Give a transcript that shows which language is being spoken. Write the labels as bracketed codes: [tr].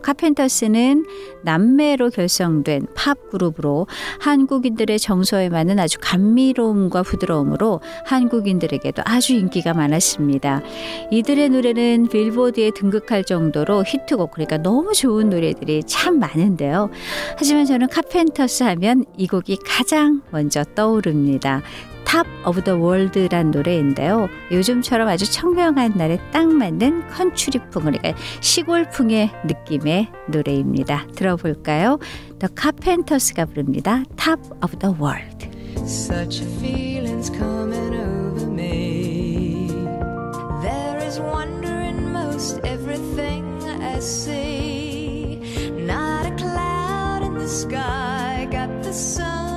[ko] 카펜터스는 남매로 결성된 팝 그룹으로 한국인들의 정서에 맞는 아주 감미로움과 부드러움으로 한국인들에게도 아주 인기가 많았습니다. 이들의 노래는 빌보드에 등극할 정도로 히트곡, 그러니까 너무 좋은 노래들이 참 많은데요. 하지만 저는 카펜터스 하면 이 곡이 가장 먼저 떠오릅니다. Top of the World란 노래인데요. 요즘처럼 아주 청명한 날에 딱 맞는 컨츄리풍, 그러니까 시골풍의 느낌의 노래입니다. 들어볼까요? The Carpenters가 부릅니다. Top of the World. [en] Such a feeling's coming over me. There is wonder in most everything I see. Not a cloud in the sky. Got the sun.